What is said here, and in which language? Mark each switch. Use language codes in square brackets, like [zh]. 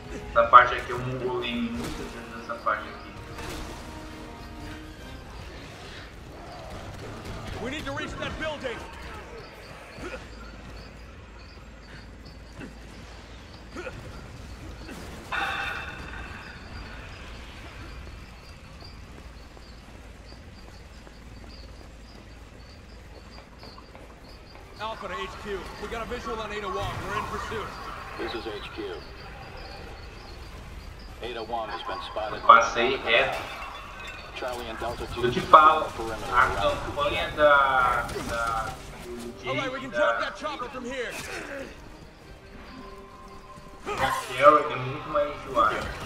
[pt] Essa parte aqui eu mongolei muitas vezes nessa parte aqui. [en] We need to reach that building! Alpha to HQ. We got a visual on Ada Wong. We're in pursuit. This is HQ. Ada Wong has been spotted. [pt] Passei reto. [en] Charlie and Delta 2. [pt] Eu te falo. A campanha da. [en] Alright, we can drop that chopper from here. [pt] A Carrie é muito mais enjoada.